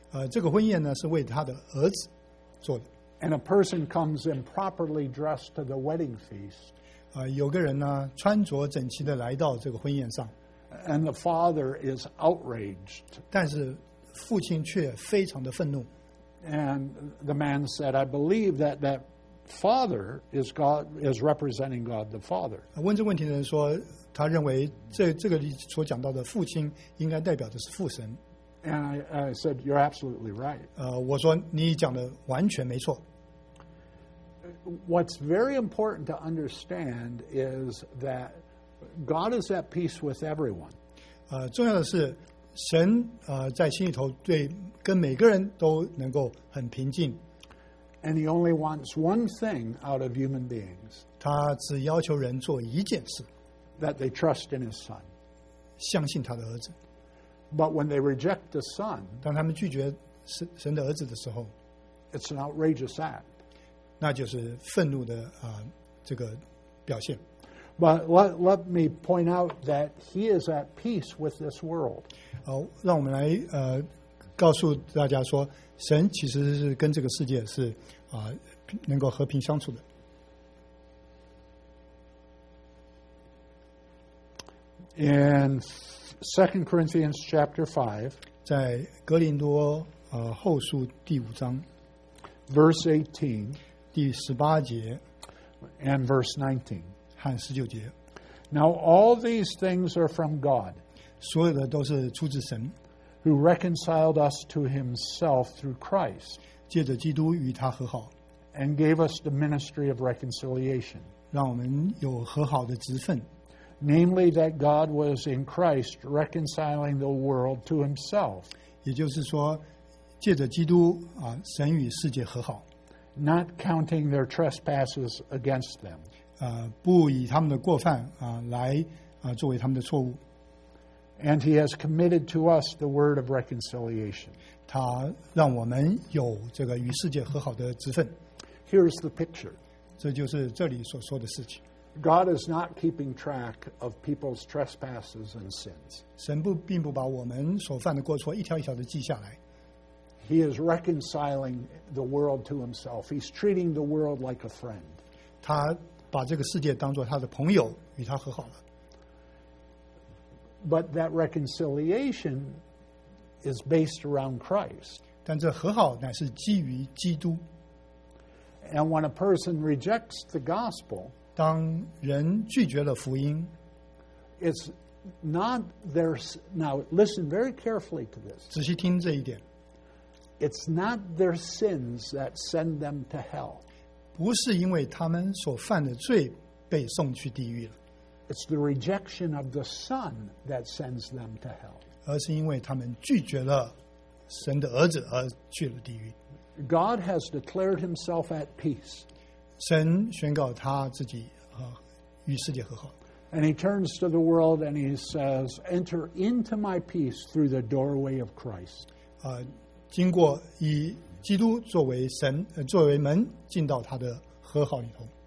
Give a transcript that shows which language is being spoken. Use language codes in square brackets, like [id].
[zh] 这个婚宴呢是为他的儿子做的。 [en] And a person comes improperly dressed to the wedding feast. [zh] 有个人呢穿着整齐的来到这个婚宴上。 [en] And the father is outraged. [zh] 但是父亲却非常的愤怒。 [en] And the man said, I believe that father is God, is representing God the Father. [zh] 问这问题的人说，他认为这个所讲到的父亲应该代表的是父神。 [en] And I said, you're absolutely right. [zh] 我说你讲的完全没错。 [en] What's very important to understand is that God is at peace with everyone. [zh] 重要的是神在心里头对跟每个人都能够很平静。 [en] and he only wants one thing out of human beings. [zh] 他只要求人做一件事。 [en] That they trust in his son. [zh] 相信他的儿子。 [en] But when they reject the son, [zh] 当他们拒绝神的儿子的时候, [en] it's an outrageous act. [zh] 那就是愤怒的这个表现。 [en] But let me point out that he is at peace with this world. [zh] 让我们来告诉大家说，神其实是跟这个世界是能够和平相处的。 [en] In 2 Corinthians chapter 5, [zh] 在哥林多后书第五章 [en] verse 18, [zh] 第十八节 [en] and verse 19, [zh] 和十九节。 [en] Now all these things are from God, [zh] 所有的都是出自神。 [en] Who reconciled us to himself through Christ, [zh] 借着基督与他和好。 [en] And gave us the ministry of reconciliation, [zh] 让我们有和好的职分。 [en] Namely, that God was in Christ reconciling the world to himself. [zh] 也就是说，借着基督，神与世界和好。 [en] Not counting their trespasses against them. [zh] 不以他们的过犯，来，作为他们的错误。 [en] And he has committed to us the word of reconciliation. [zh] 他让我们有这个与世界和好的职分。 [en] Here's the picture. [zh] 这就是这里所说的事情。 [en] God is not keeping track of people's trespasses and sins. [zh] 神不并不把我们所犯的过错一条一条的记下来。 [en] He is reconciling the world to himself. He's treating the world like a friend. [zh] 他把这个世界当作他的朋友，与他和好了。 [en] But that reconciliation is based around Christ. [zh] 但这和好乃是基于基督。 [en] And when a person rejects the gospel, [zh] 当人拒绝了福音, [en] it's not their, now listen very carefully to this. [zh] 仔细听这一点。 [en] It's not their sins that send them to hell. [zh] 不是因为他们所犯的罪被送去地狱了。 [en] It's the rejection of the Son that sends them to hell. [zh] 而是因为他们拒绝了神的儿子而去了地狱。 [en] God has declared himself at peace. [zh] 神宣告他自己与世界和好。 [en] And he turns to the world and he says, enter into my peace through the doorway of Christ. [zh] 经过以基督作为神作为门进到他的和好里头。